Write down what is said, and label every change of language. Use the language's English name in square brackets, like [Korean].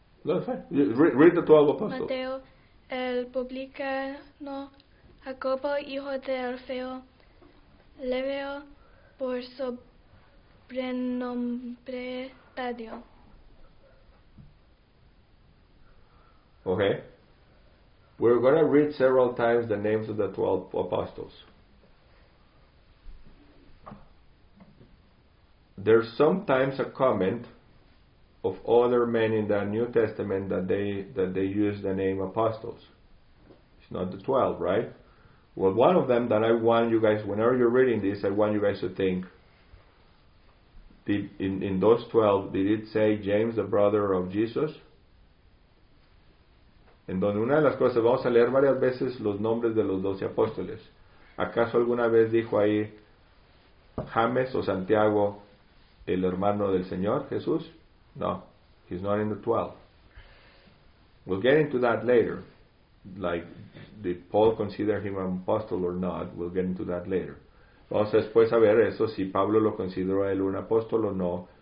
[English] Read the 12 apostles. [Spanish] Mateo, el publicano, Jacobo, hijo de Alfeo, Leveo, por sobrenombre Tadeo. [English] Okay. We're going to read several times the names of the 12 apostles. There's sometimes a comment of other men in the New Testament that they use the name apostles. It's not the 12, right? Well, one of them that I want you guys, whenever you're reading this, I want you guys to think, in those 12, did it say James, the brother of Jesus? [Spanish] En donde una de las cosas, vamos a leer varias veces los nombres de los 12 apóstoles. ¿Acaso alguna vez dijo ahí James o Santiago, el hermano del Señor Jesús? [English] No, he's not in the 12. We'll get into that later. Like, did Paul consider him an apostle or not? We'll get into that later. [Spanish] Vamos después a ver eso, si Pablo lo consideró él un apóstol o no.